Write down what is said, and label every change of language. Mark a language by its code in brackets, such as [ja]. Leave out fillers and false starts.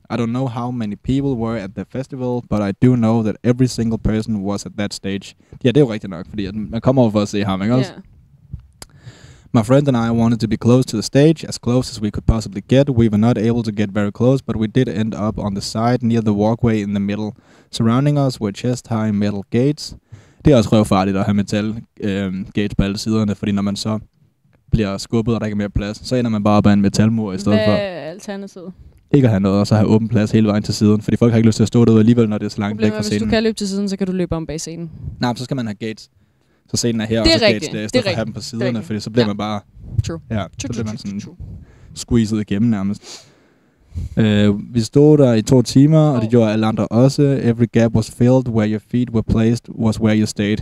[en] I don't know how many people were at the festival, but I do know that every single person was at that stage. [da] Ja, det er jo rigtigt nok, fordi man kommer over for at se ham, ikke også? [en] My friend and I wanted to be close to the stage, as close as we could possibly get. We were not able to get very close, but we did end up on the side near the walkway in the middle. Surrounding us were chest-high metal gates. [da] Det er også røvfarligt at have metal gates på alle siderne, fordi når man så bliver skubbet, og der ikke er mere plads, så ender man bare op ad en metalmur i stedet for. Hvad er alternativet? Ikke at have noget, og så have åben plads hele vejen til siden, fordi folk har ikke lyst til at stå derude alligevel, når det er så langt væk fra scenen. Hvis du kan løbe til siden, så kan du løbe om bag scenen. Nej, så skal man have gates. Så scenen er her, og så gates der, i stedet for at have dem på siderne, fordi så bliver man bare... [en] True. [da] Ja, så bliver man sådan squeezed igennem nærmest. Vi stod der i 2 timer, og det gjorde alle andre også. [en] Every gap was filled, where your feet were placed was where you stayed.